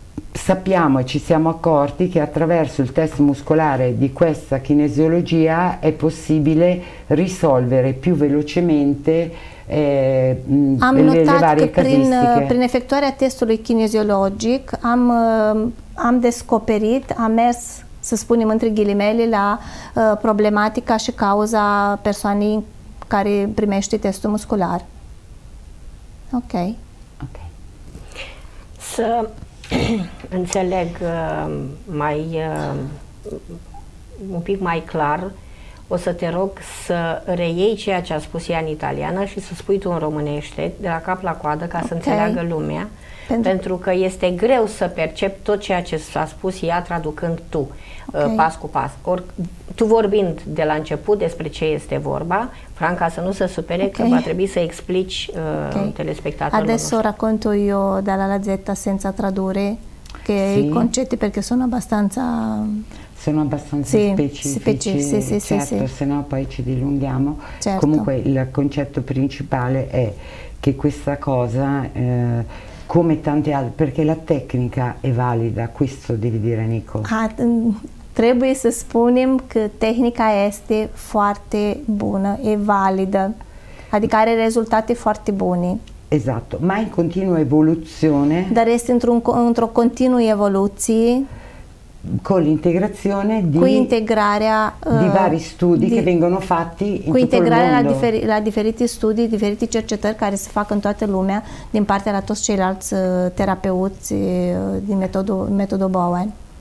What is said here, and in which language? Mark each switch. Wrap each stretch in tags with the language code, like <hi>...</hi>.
<it>Sappiamo e ci siamo accorti che attraverso il test muscolare di questa kinesiologia è possibile risolvere più velocemente le varie casistiche.</it> <ro>Am notat că prin efectuarea testului kinesiologic am descoperit, am mers, să spunem între ghilimele, la problematica și cauza persoanei care primește testul muscular. Ok. Ok. Să înțeleg mai un pic mai clar, o să te rog să reiei ceea ce a spus ea în italiană și să spui tu în românește de la cap la coadă ca să înțeleagă lumea. Pentru că este greu să percep tot ceea ce s-a spus ea traducând tu, okay, pas cu pas. Or, tu vorbind de la început despre ce este vorba, Franca să nu se supere, okay, că va trebui să explici telespectatorilor.</ro> <it>Adesso racconto io dalla lazzetta senza tradurre, che sì, i concetti, perché sono abbastanza... Sono abbastanza sì, specifici, sì, certo. Se no poi ci dilunghiamo. Certo. Comunque il concetto principale è che questa cosa... come tante altre, perché la tecnica è valida, questo devi dire, Nico.</it> <ro>Trebuie să spunem că tehnica este foarte bună, e valida, adică are rezultate foarte bune.</ro> <it>Esatto, ma in continua evoluzione.</it> <ro>Dar este într-o continuă evoluție.</ro> <it>Con l'integrazione di,</it> <ro>cu integrarea</ro> <it>di vari studi di, che vengono fatti in tutto il mondo.</it> <ro>Cu integrarea la diferiti studii, diferiti cercetări care se fac în toată lumea din partea la toți ceilalți terapeuți din metodul Bowen.</ro>